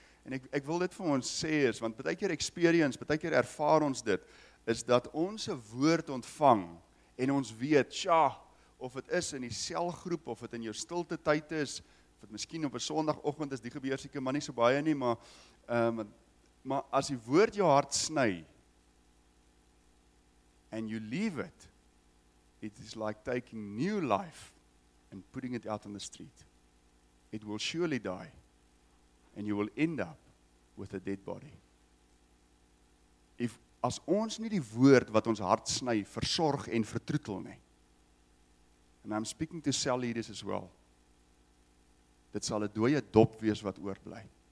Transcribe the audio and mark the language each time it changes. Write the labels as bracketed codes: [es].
[af] En ek wil dit vir ons sê, is, want baie keer experience, baie keer ervaar ons dit, is dat ons 'n woord ontvang en ons weet, tja, of het is in die selgroep, of het in jou stilte tyd is, of het miskien op 'n sondagoggend is, die gebeur seker maar nie so baie nie, maar as die woord jou hart sny, [en] and you leave it, it is like taking new life and putting it out on the street. It will surely die, and you will end up with a dead body. [af] As ons nie die woord wat ons hart sny, versorg en vertroetel nie. [en] And I'm speaking to cell leaders as well. [af] Dit sal 'n dooie dop wees wat oorbly.